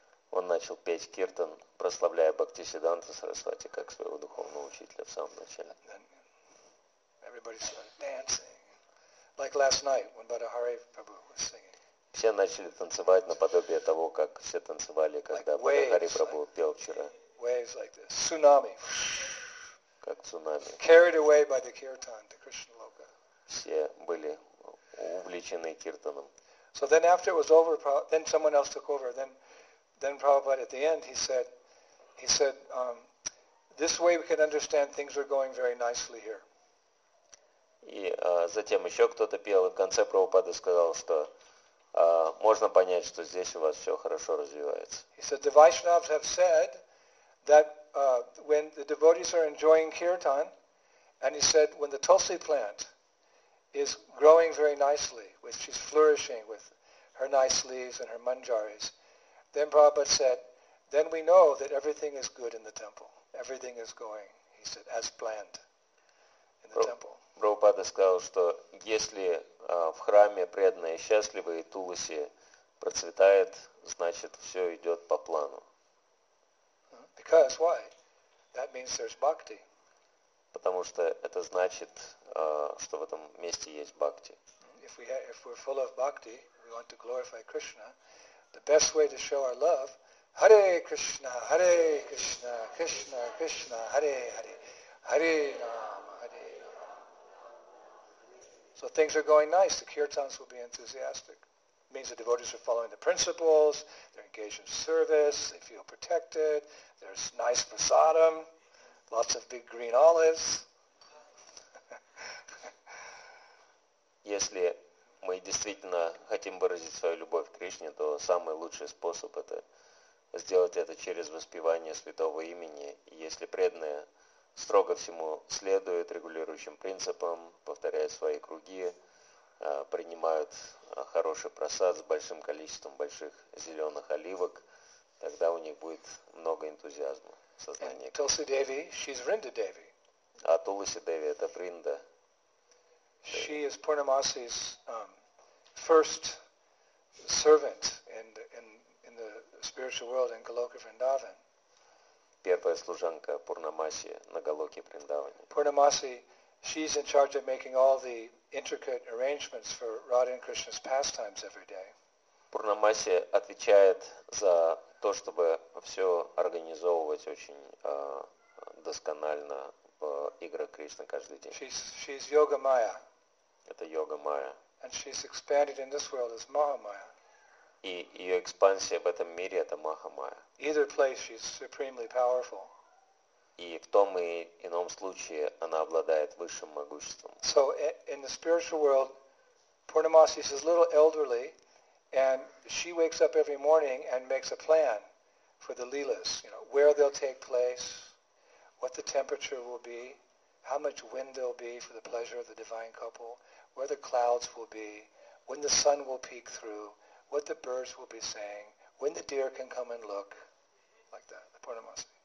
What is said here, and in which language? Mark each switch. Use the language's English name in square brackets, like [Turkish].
[Russian] Он начал петь киртан, прославляя Бхактисиданта Сарасвати как своего духовного учителя в самом начале. [English] Everybody started dancing, like last night when Buddha Hari Prabhu was singing. [Russian] Все начали танцевать наподобие того, как все танцевали, когда Buddha Hari Prabhu пел вчера. [English] Waves like this, tsunami. [Russian] Как цунами. [English] Carried away by the kirtan, the Krishna loka. [Russian] Все были увлечены киртаном. [English] So then after it was over, then someone else took over. Then Prabhupada at the end, he said, this way we can understand things are going very nicely here. [Russian] И затем еще кто-то пел, и в конце Прабхупада сказал, что можно понять, что здесь у вас все хорошо развивается. [English] He said, the Vaishnavas have said that when the devotees are enjoying kirtan, and he said, when the tulsi plant is growing very nicely, with she's flourishing with her nice leaves and her manjaris, then Prabhupada said, then we know that everything is good in the temple. Everything is going, he said, as planned in the temple. [Russian] Прабхупада сказал, что если в храме преданные счастливы и туласи процветает, значит, все идет по плану. [English] Because why? That means there's bhakti. [Russian] Потому что это значит, что в этом месте есть бхакти. [English] If we're full of bhakti, we want to glorify Krishna, the best way to show our love, Hare Krishna, Hare Krishna, Krishna, Krishna, Hare Hare, Hare Rama, Hare Rama. So things are going nice. The kirtans will be enthusiastic. It means the devotees are following the principles, they're engaged in service, they feel protected, there's nice prasadam, lots of big green olives. [Russian] Если мы действительно хотим выразить свою любовь к Кришне, то самый лучший способ это сделать это через воспевание святого имени. И если преданные строго всему следуют регулирующим принципам, повторяют свои круги, принимают хороший просад с большим количеством больших зеленых оливок, тогда у них будет много энтузиазма в сознании. [English] Tulsi Devi, she's Vrinda Devi. [Russian] А Tulsi Devi это Vrinda. [English] She is Purnamasi's first servant in the spiritual world in Goloka Vrindavan. [Russian] Первая служанка Пурнамаси на Голоке Вриндаване. [English] Purnamasi, she's in charge of making all the intricate arrangements for Radha and Krishna's pastimes every day. [Russian] Пурнамаси отвечает за то, чтобы все организовывать очень досконально в играх Кришны каждый день. [English] She's Yoga Maya. [Russian] Это Йога Майя. [English] And she's expanded in this world as Maha Maya. [Russian] И ее экспансия в этом мире это Маха Майя. [English] Either place she's supremely powerful. [Russian] И в том и ином случае она обладает высшим могуществом. [English] So in the spiritual world, Purnamasi is a little elderly, and she wakes up every morning and makes a plan for the leelas. You know, where they'll take place, what the temperature will be, how much wind there'll be for the pleasure of the divine couple, where the clouds will be, when the sun will peek through, what the birds will be saying, when the deer can come and look, like that, the Purnamasi.